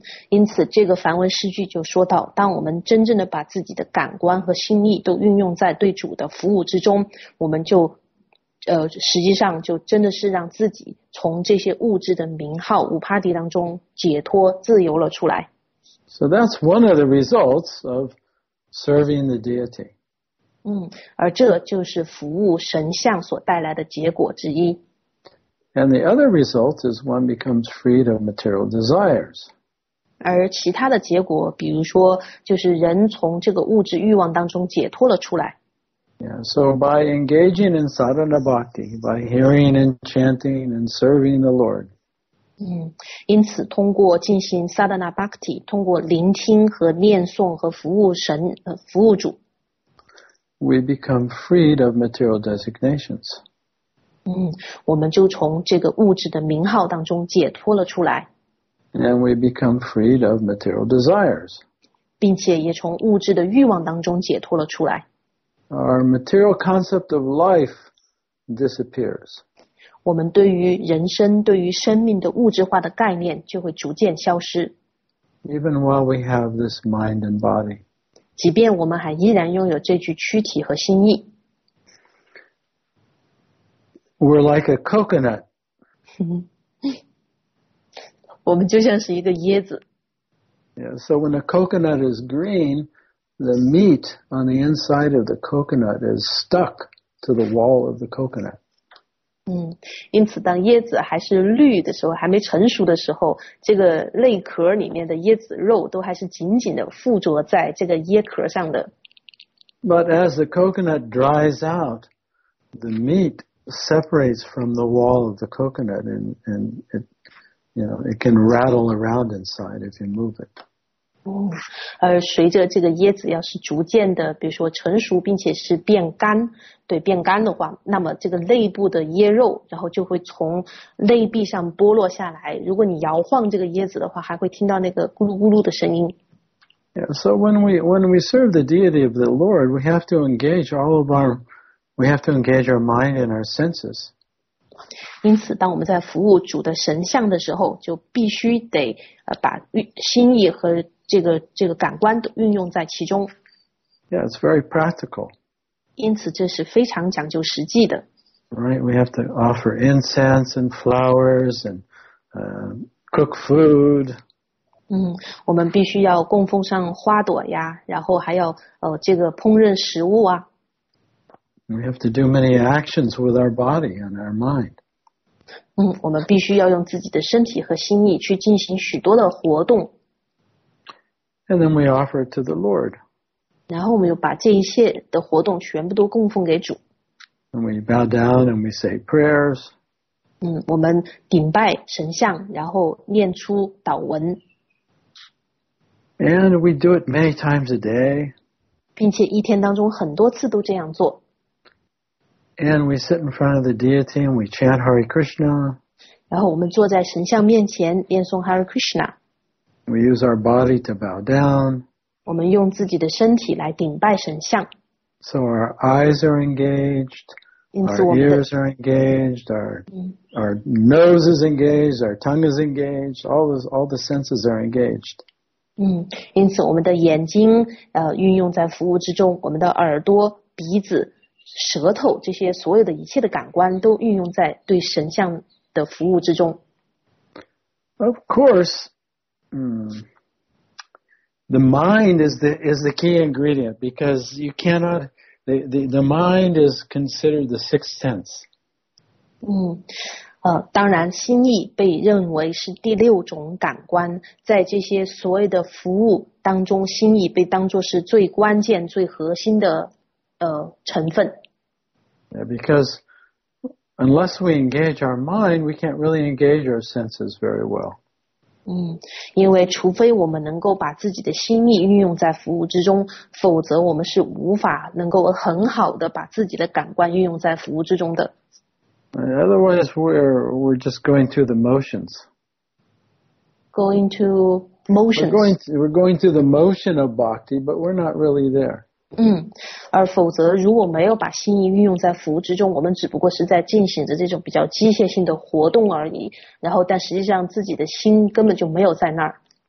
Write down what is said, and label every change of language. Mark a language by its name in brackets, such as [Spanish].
[Chinese] 因此这个梵文诗句就说到，当我们真正的把自己的感官和心意都运用在对主的服务之中，我们就实际上就真的是让自己从这些物质的名号upadhi当中解脱自由了出来。 [English] So that's one of the results of serving the deity. [Chinese] 而这就是服务神像所带来的结果之一。 [English] And the other result is one becomes freed of material desires. [Chinese] 而其他的结果，比如说，就是人从这个物质欲望当中解脱了出来。 [English] Yeah, so by engaging in sadhana bhakti, by hearing and chanting and serving the Lord, [Chinese] 因此通过进行 sadhana bhakti, 通过聆听和念诵和服务神，服务主。 [English] We become freed of material designations. [Chinese] 我们就从这个物质的名号当中解脱了出来。 [English] And we become freed of material desires. [Chinese] 并且也从物质的欲望当中解脱了出来。 [English] Our material concept of life disappears. [Chinese] 我们对于人生、对于生命的物质化的概念就会逐渐消失。 [English] Even while we have this mind and body. [Chinese] 即便我们还依然拥有这具躯体和心意。 [English] We're like a coconut. [Chinese] 我们就像是一个椰子。 [English] Yeah, so when a coconut is green, the meat on the inside of the coconut is stuck to the wall of the coconut. [Chinese] 因此当椰子还是绿的时候，还没成熟的时候，这个内壳里面的椰子肉都还是紧紧的附着在这个椰壳上的。 [English] But as the coconut dries out, the meat separates from the wall of the coconut and it, you know, it can rattle around inside if you move it. [Chinese] 而随着这个椰子要是逐渐的比如说成熟并且是变干，对，变干的话，那么这个内部的椰肉然后就会从内壁上剥落下来，如果你摇晃这个椰子的话，还会听到那个咕噜咕噜的声音。 [English] Yeah, so when we serve the deity of the Lord, we have to engage all of our, we have to engage our mind and our senses. [Chinese] 因此当我们在服务主的神像的时候，就必须得把心意和这个感官都运用在其中。 [English] Yeah, it's very practical. [Chinese] 因此这是非常讲究实际的。 [English] Right, we have to offer incense and flowers and cook food. [Chinese] 我们必须要供奉上花朵呀，然后还要这个烹饪食物啊。 [English] We have to do many actions with our body and our mind. [Chinese] 我们必须要用自己的身体和心意去进行许多的活动。 [English] And then we offer it to the Lord. [Chinese] 然后我们又把这一切的活动全部都供奉给主。 [English] And we bow down and we say prayers. [Chinese] 我们顶拜神像，然后念出祷文。 [English] And we do it many times a day. [Chinese] 并且一天当中很多次都这样做。 [English] And we sit in front of the deity and we chant Hare Krishna. [Chinese] 然后我们坐在神像面前念诵 Hare Krishna。 [English] We use our body to bow down. [Chinese] 我们用自己的身体来顶拜神像。 [English] So our eyes are engaged, our ears are engaged, our nose is engaged, our tongue is engaged, all the senses are engaged. [Chinese] 因此我们的眼睛运用在服务之中，我们的耳朵、鼻子、舌头，这些所有的一切的感官都运用在对神像的服务之中。 [English] Of course, the mind is the key ingredient, because you cannot, the mind is considered the sixth sense. [Chinese] 当然心意被认为是第六种感官，在这些所谓的服务当中，心意被当作是最关键最核心的成分。 [English] Yeah, because unless we engage our mind, we can't really engage our senses very well. [Chinese] 因为除非我们能够把自己的心意运用在服务之中，否则我们是无法能够很好的把自己的感官运用在服务之中的。 [English] Otherwise, we're just going through the motions. Going to motions. We're going through the motion of bhakti, but we're not really there. [Chinese] 而否则如果没有把心意运用在服务之中，我们只不过是在进行着这种比较机械性的活动而已，然后但实际上自己的心根本就没有在那儿。